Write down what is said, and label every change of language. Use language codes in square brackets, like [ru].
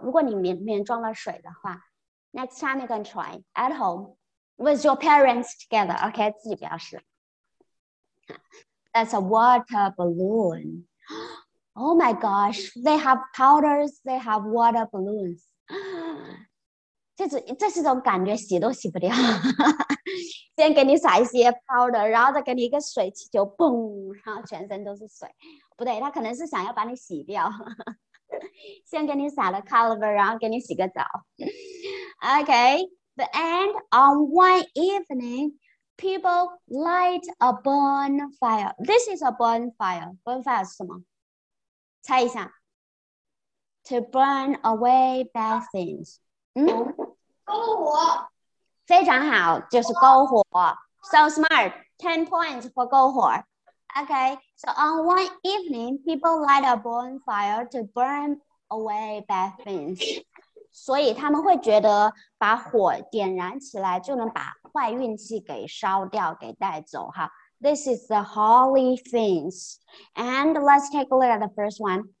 [zh] 如果你里面装了水的话 [en] ，next time you can try at home with your parents together. Okay, [zh] 自己不要试。 [en] That's a water balloon. Oh my gosh, they have powders, they have water balloons. [zh] 这是一种感觉，洗都洗不掉。先给你撒一些 powder, 然后再给你一个水气球，嘣，然后全身都是水。不对，他可能是想要把你洗掉。先给你撒了 [en] colorful, [zh] 然后给你洗个澡。 [en] Okay, the end, on one evening,People light a bonfire. This is a bonfire. Bonfire [zh] 是什么？猜一下。 [en] To burn away bad things. 嗯， [zh] 篝火。非常好，就是篝火。 [en] So smart. 10 points for 篝火。Okay. So on one evening, people light a bonfire to burn away bad things. [zh] 所以他们会觉得把火点燃起来就能把坏运气给烧掉给带走哈。 [en] This is the holy things. And let's take a look at the first one.